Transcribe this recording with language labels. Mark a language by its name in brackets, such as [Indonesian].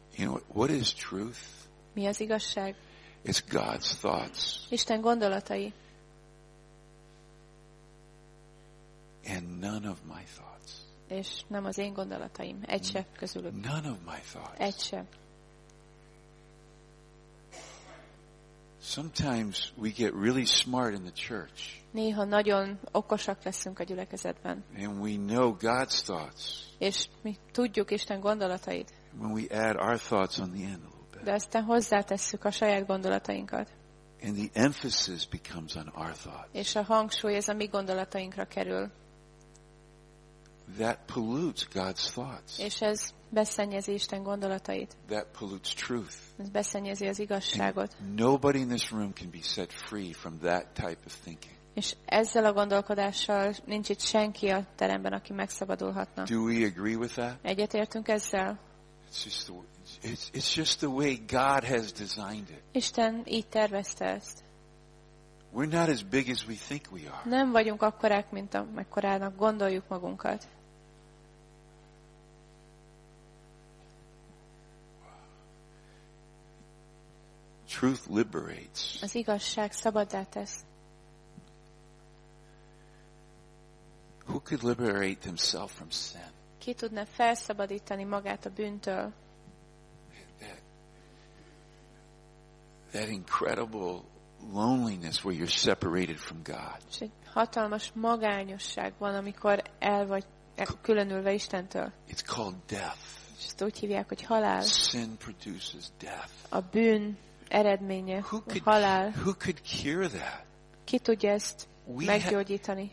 [English] You know what is truth? [Hungarian] Mi az igazság? [English] It's God's thoughts. [Hungarian] Isten gondolatai. [English] And none of my thoughts. [Hungarian] És nem az én gondolataim, egy sem közülük. [English] None of my thoughts. [Hungarian] Egy sem. [English] Sometimes we get really smart in the church. [Hungarian] Néha nagyon okosak leszünk a gyülekezetben. [English] And we know God's thoughts. [Hungarian] És mi tudjuk Isten gondolatait. [English] When we add our thoughts on the end a little bit. [Hungarian] De aztán hozzátesszük a saját gondolatainkat. [English] And the emphasis becomes on our thoughts. [Hungarian] És a hangsúly ez a mi gondolatainkra kerül. [English] That pollutes God's thoughts. [Hungarian] És ez beszennyezi Isten gondolatait. [English] That pollutes truth. [Hungarian] Ez beszennyezi az igazságot. [English] And nobody in this room can be set free from that type of thinking. [Hungarian] És ezzel a gondolkodással nincs itt senki a teremben, aki megszabadulhatna. [English] Do we agree with that? [Hungarian] Egyetértünk ezzel? [English] It's just the way God has designed it. [Hungarian] Isten így tervezte ezt. [English] We're not as big as we think we are. [Hungarian] Nem vagyunk akkorák, mint amekkorának gondoljuk magunkat. [English] Truth liberates. [Hungarian] Az igazság szabaddá tesz. [English] Who could liberate himself from sin? [Hungarian] Ki tudna felszabadítani magát a bűntől? [English] That incredible loneliness where you're separated from God. [Hungarian] Hatalmas magányosság van, amikor el vagy különülve Istentől. [English] It's called death. [Hungarian] Ezt úgy hívják, hogy halál. [English] Sin produces death. [Hungarian] A bűn eredménye halál. [English] Who could cure that? [Hungarian] Ki tudja ezt meggyógyítani?